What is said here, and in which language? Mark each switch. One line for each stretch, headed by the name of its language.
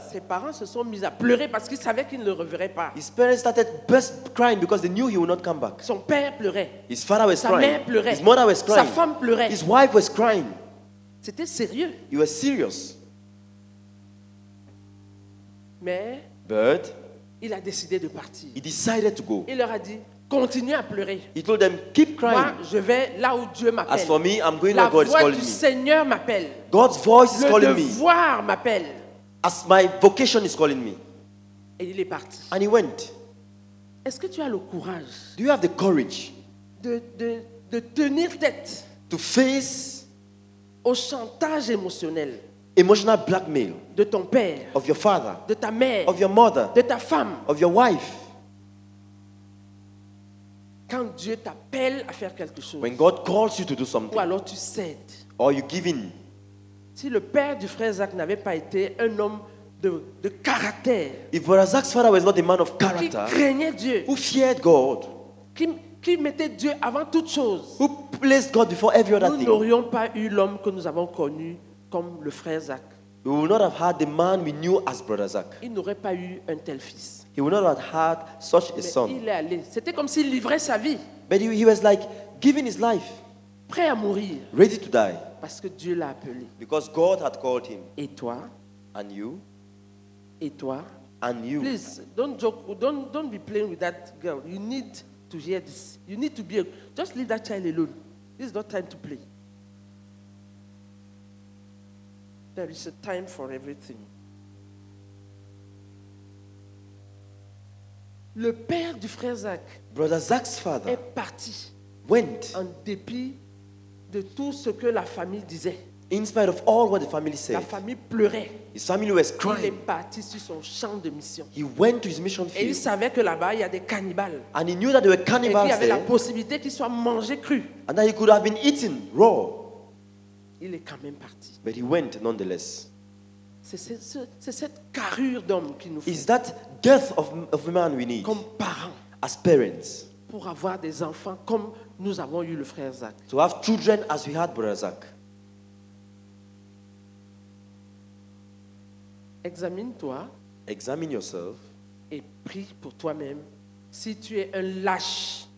French: Ses parents se sont mis à pleurer parce qu'ils savaient qu'ils ne le reverraient pas.
English: His parents started burst crying because they knew he would not come back.
French: Son père pleurait.
English: His father was
French: Sa
English: crying.
French: Sa mère pleurait.
English: His mother was crying.
French: Sa femme pleurait.
English: His wife was crying.
French: C'était sérieux.
English: He was serious.
French: Mais
English: but
French: il a décidé de partir.
English: He decided to go.
French: Il leur a dit, continue à pleurer.
English: He told them, keep crying.
French: Moi, je vais là où Dieu m'appelle.
English: As for me, I'm going where God is calling me.
French: La voix du Seigneur m'appelle.
English: God's voice is calling me.
French: Le devoir m'appelle.
English: As my vocation is calling me.
French: Et il est parti.
English: And he went.
French: Est-ce que tu as le courage?
English: Do you have the courage?
French: De tenir tête.
English: To face
French: au chantage émotionnel.
English: Emotional blackmail
French: de ton père,
English: of your father,
French: de ta mère,
English: of your mother,
French: de ta femme,
English: of your wife.
French: Quand Dieu t'appelle à faire quelque chose,
English: when God calls you to do something,
French: ou alors tu cèdes,
English: or you give in.
French: Si le père du frère Zach n'avait pas été un homme de caractère,
English: if Zach's father was not a man of character,
French: qui craignait Dieu,
English: who feared God,
French: qui mettait Dieu avant toute chose,
English: who placed God before every other thing,
French: nous n'aurions pas eu l'homme que nous avons connu comme le frère Zach.
English: We would not have had the man we knew as brother Zach.
French: Il n'aurait pas eu un tel fils.
English: He would not have had such
French: Mais
English: a son.
French: Il est allé. C'était comme s'il livrait sa vie.
English: But he was like giving his life.
French: Prêt à mourir.
English: Ready to die.
French: Parce que Dieu l'a appelé.
English: Because God had called him.
French: Et toi?
English: And you?
French: Et toi?
English: And you? Please, don't joke. Don't be playing with that girl. You need to hear this. You need to be. Just leave that child alone. This is not time to play. There is a time for everything.
French: Le père du frère Zach,
English: brother Zach's father,
French: est parti,
English: went,
French: en dépit de tout ce que la famille disait,
English: In spite of all what the family said,
French: la famille pleurait.
English: His family was crying.
French: Il est parti sur son champ de mission.
English: He went to his mission field.
French: Et il savait que là-bas, il y a des cannibales.
English: And he knew that there were cannibals there.
French: Et qu'il y avait la possibilité qu'il soit mangé cru.
English: And that he could have been eaten raw.
French: Il est quand même parti.
English: But he went nonetheless.
French: C'est cette carrure d'homme qu'il nous faut.
English: It's that girth of a man we need.
French: Comme parents.
English: As parents.
French: Pour avoir des enfants comme nous avons eu le frère Zach.
English: To have children as we had brother Zach.
French: Examine-toi.
English: Examine yourself.
French: Et prie pour toi-même si tu es un lâche.